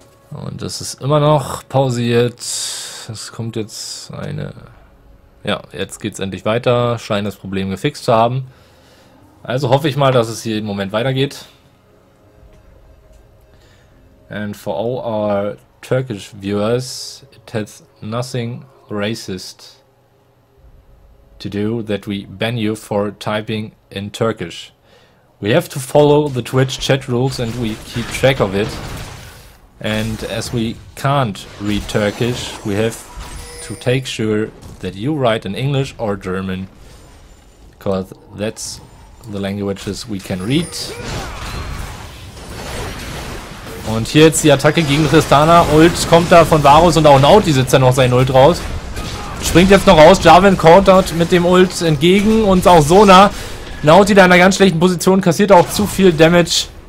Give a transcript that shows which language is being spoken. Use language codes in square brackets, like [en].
[de] Und es ist immer noch pausiert. Es kommt jetzt eine... Ja, jetzt geht es endlich weiter. Scheint das Problem gefixt zu haben. Also hoffe ich mal, dass es hier im Moment weitergeht. [en] And for all our Turkish viewers, it has nothing racist to do that we ban you for typing in Turkish. We have to follow the Twitch chat rules and we keep track of it. And as we can't read Turkish, we have to take sure that you write in English or German, because that's the languages we can read. [de] Und hier jetzt die Attacke gegen Tristana. Ult kommt da von Varus und auch Naut, die sitzt ja noch sein Ult raus. Springt jetzt noch raus, Jarvan countert mit dem Ult entgegen und auch Sona. Naut, die da in einer ganz schlechten Position, kassiert auch zu viel Damage.